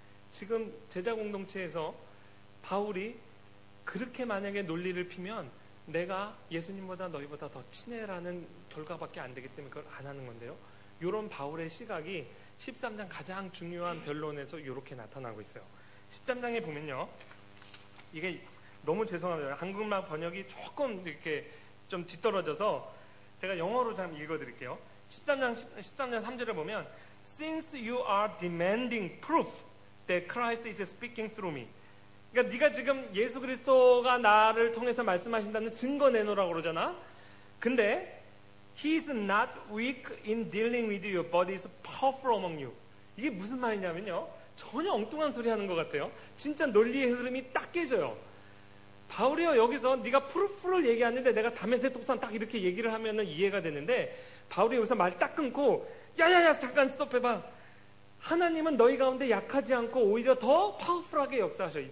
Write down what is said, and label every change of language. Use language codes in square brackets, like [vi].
[ko] 지금 제자 공동체에서 바울이 그렇게 만약에 논리를 피면 내가 예수님보다 너희보다 더 친해라는 결과밖에 안 되기 때문에 그걸 안 하는 건데요. 이런 바울의 시각이 13장 가장 중요한 변론에서 이렇게 나타나고 있어요. 13장에 보면요, 이게 너무 죄송합니다. 한국말 번역이 조금 이렇게 좀 뒤떨어져서 제가 영어로 좀 읽어드릴게요. 13장 3절에 보면 [en] Since you are demanding proof that Christ is speaking through me. [ko] 그러니까 네가 지금 예수 그리스도가 나를 통해서 말씀하신다는 증거 내놓으라고 그러잖아. 근데 [en] He is not weak in dealing with you, but is powerful among you. [ko] 이게 무슨 말이냐면요, 전혀 엉뚱한 소리 하는 것 같아요. 진짜 논리의 흐름이 딱 깨져요. 바울이요, 여기서 네가 프루프를 얘기하는데 내가 다메섹 도상 딱 이렇게 얘기를 하면 이해가 되는데 바울이 여기서 말 딱 끊고 야야야 잠깐 스톱해봐. 하나님은 너희 가운데 약하지 않고 오히려 더 파워풀하게 역사하셔요.